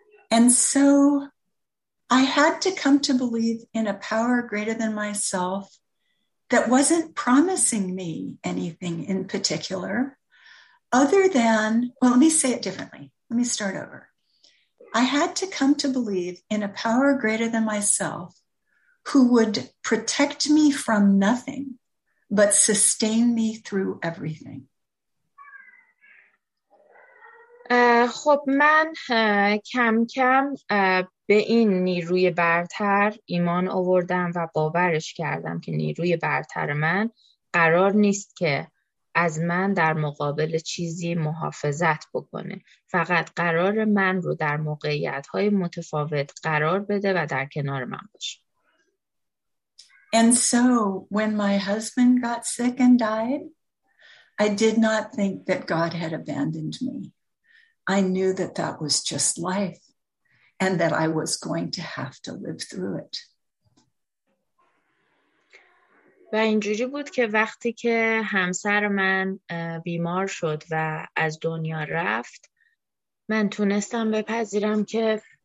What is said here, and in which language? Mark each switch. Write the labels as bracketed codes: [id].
[en] And so I had to come to believe in a power greater than myself that wasn't promising me anything in particular other than, well, let me say it differently. Let me start over. I had to come to believe in a power greater than myself who would protect me from nothing but sustain me through everything. [fa] خب من کم کم به این نیروی برتر ایمان آوردم و باورش کردم که نیروی برتر من قرار نیست که از من در مقابل چیزی محافظت بکنه، فقط قرار من رو در موقعیت‌های متفاوت قرار بده و در کنار من باشه. [en] And so when my husband got sick and died, I did not think that God had abandoned me. I knew that that was just life and that I was going to have to live through it. [fa] و اینجوری بود که وقتی که همسر من بیمار شد و از دنیا رفت، من تونستم بپذیرم که